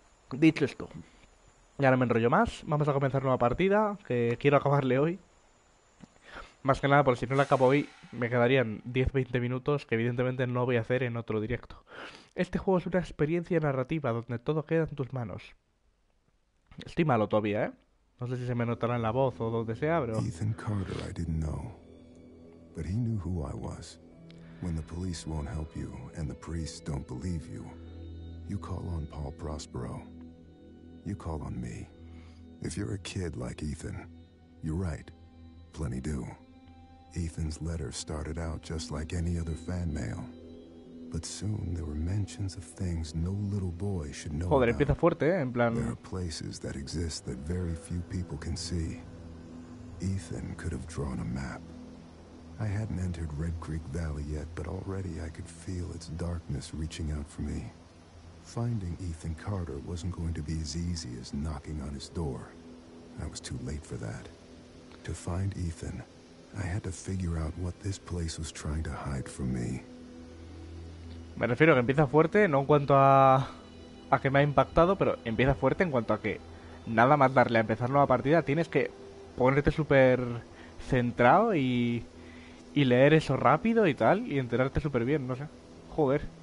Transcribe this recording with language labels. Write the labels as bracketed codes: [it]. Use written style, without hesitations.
[es] Dicho esto, ya no me enrollo más, vamos a comenzar una nueva partida, que quiero acabarle hoy. Más que nada, porque si no la acabo hoy, me quedarían 10-20 minutos que evidentemente no voy a hacer en otro directo. Este juego es una experiencia narrativa donde todo queda en tus manos. Estoy malo todavía, ¿eh? No sé si se me notará en la voz o donde sea, bro. [en] Ethan Carter, I didn't know, but he knew who I was. When the police won't help you and the priests don't believe you, you call on Paul Prospero. You call on me. If you're a kid like Ethan, you're right. Plenty do. Ethan's letter started out just like any other fan mail, but soon there were mentions of things no little boy should know [es] Joder, empieza [en] about. [es] fuerte, ¿eh? En [en] There are [es] plan. [en] places that exist that very few people can see. Ethan could have drawn a map. I hadn't entered Red Creek Valley yet, but already I could feel its darkness reaching out for me. Finding Ethan Carter wasn't going to be as easy as knocking on his door. I was too late for that. To find Ethan, I had to figure out what this place was trying to hide from me. [es] Me refiero a que empieza fuerte, no en cuanto a que me ha impactado, pero empieza fuerte en cuanto a que nada más darle a empezar nueva partida, tienes que ponerte súper centrado y leer eso rápido y tal, y enterarte súper bien, no sé. Joder.